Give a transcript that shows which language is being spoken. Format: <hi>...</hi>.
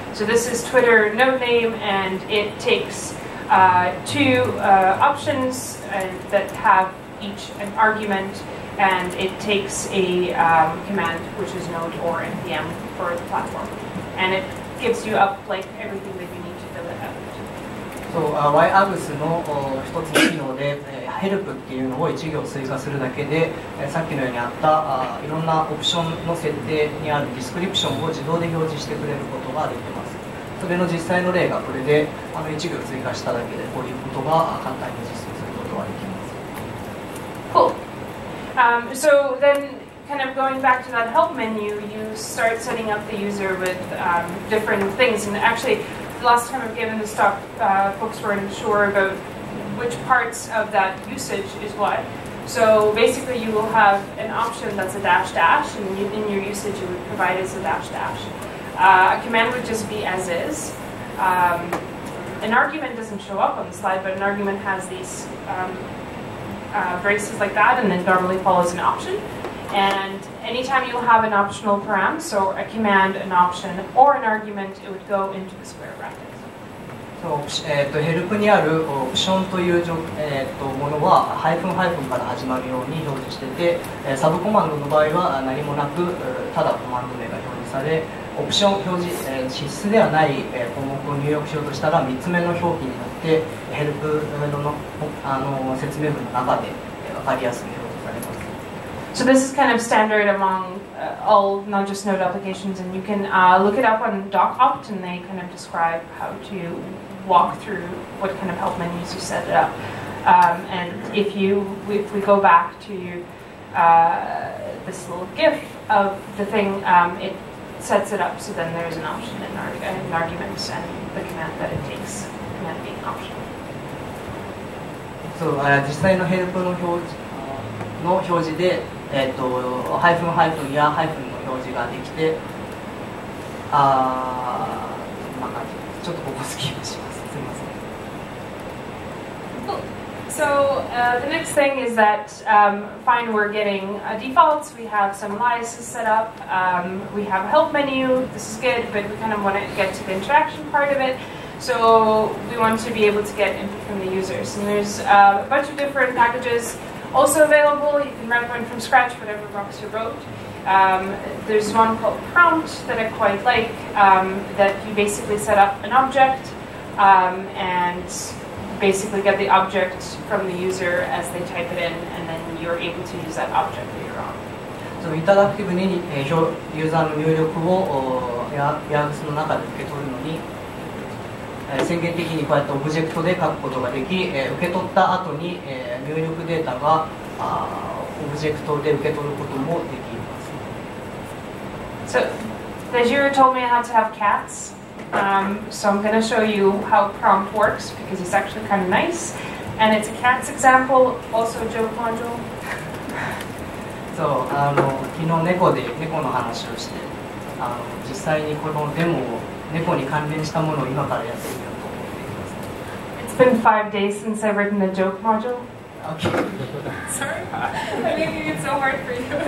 <en>So this is Twitter node name, and it takes two options that have each an argument, and it takes a command, which is node or npm for the platform. And it gives you up like everything that you need to fill it out.</en> <ja>そう、YAGS の一つの機能で、Help っていうのを一行追加するだけで、さっきのようにあった、いろんなオプションの設定にあるディスクリプションを自動で表示してくれることができます。それの実際の例がこれで、一行追加しただけで、こういうことが簡単に実装することができます。</ja> <en>Cool. So then, kind of going back to that help menu, you start setting up the user with different things, and actually,last time I've given this talk, folks weren't sure about which parts of that usage is what. So basically you will have an option that's a dash dash, and in your usage it would provide as a dash dash. A command would just be as is. An argument doesn't show up on the slide, but an argument has these braces like that, and then normally follows an option. And anytime you'll have an optional param, so a command, an option, or an argument, it would go into the square bracket.</en> <ja>So, help にある option という、ものは、ハイフンハイフンから始まるように表示してて、サブコマンドの場合は何もなく、ただコマンド名が表示され、オプション表示、必須ではない項目を入力しようとしたら、3つ目の表記になって、help の説明文の中で分かりやすい。</ja> <en>So this is kind of standard among all, not just Node applications, and you can look it up on DocOpt, and they kind of describe how to walk through what kind of help menus you set it up. And if we go back to this little GIF of the thing, it sets it up, so then there's an option and an argument and the command that it takes, command being option.</en> <ja>So, 実際のヘルプの表示の表示でハイフンハイフンやハイフンの表示ができて、ちょっとここスキップします。すみません。</ja> <en>So, the next thing is that, fine, we're getting defaults. We have some aliases set up. We have a help menu. This is good, but we kind of want to get to the interaction part of it. So, we want to be able to get input from the users. And there's a bunch of different packages. Also available, you can run one from scratch, whatever rocks your boat. There's one called prompt that I quite like, that you basically set up an object and basically get the object from the user as they type it in, and then you're able to use that object later on.</en> <ja>So, interactive に user の入力を YAGS の中で受け取るのに宣言的にこうやってオブジェクトで書くことができ、受け取った後に、入力データがオブジェクトで受け取ることもできます。</ja> <en>So, Azure told me how to have cats. So I'm going to show you how prompt works because it's actually kind of nice. And it's a cats example, also a joke module.</en> <ja>そう、昨日猫で猫の話をして、実際にこのデモを猫に関連したものを今からやってみようと思っています。</ja> <en>It's been 5 days since I've written a joke module. Okay. Sorry. I'm making it so hard for you.</en>